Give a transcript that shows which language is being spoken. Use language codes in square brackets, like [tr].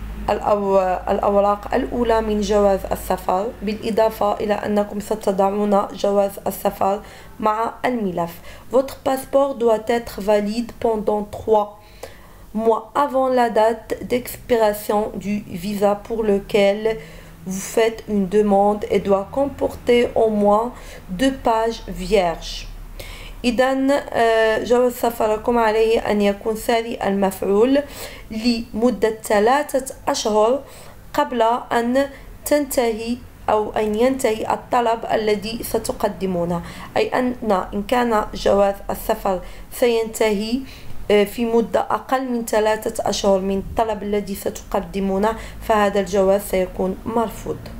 [ar] الأوراق الأولى من جواز السفر بالإضافة إلى أنكم ستضعون جواز السفر مع الملف. [fr] Votre passeport doit être valide pendant 3 mois avant la date d'expiration du visa pour lequel vous faites une demande et doit comporter au moins 2 pages vierges. [ar] إذن جواز سفركم عليه أن يكون ساري المفعول لمدة 3 أشهر قبل أن تنتهي أو أن ينتهي الطلب الذي ستقدمونه. أي أن إن كان جواز السفر سينتهي في مدة أقل من 3 أشهر من الطلب الذي ستقدمونه فهذا الجواز سيكون مرفوض.